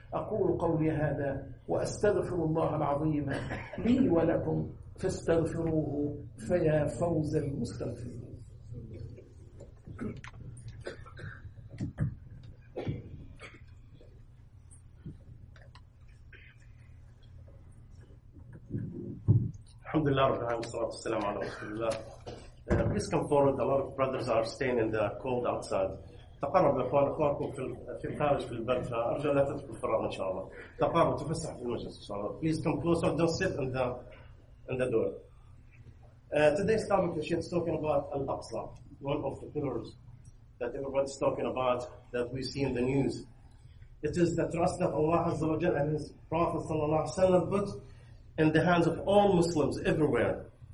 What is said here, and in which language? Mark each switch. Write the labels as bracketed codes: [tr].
[ar] أقول قولي هذا وأستغفر الله العظيم لي ولكم، فاستغفروه فيا فوز المستغفرين. الحمد لله رب العالمين، والصلاة والسلام على رسول الله. [en] Please come forward. A lot of brothers are staying in the cold outside. [ar] تقرب إخوان أخواتكم في الخارج في البرد، فأرجو لا تتركوا الفراغ إن شاء الله. تقرب وتفسح في المجلس إن شاء الله. [en] Please come closer. Don't sit in the door. Today's topic is talking about Al-Aqsa, one of the pillars that everybody's talking about that we see in the news. It is the trust that Allah Azza wa Jalla and His Prophet Sallallahu Alaihi Wasallam put in the hands of all Muslims everywhere.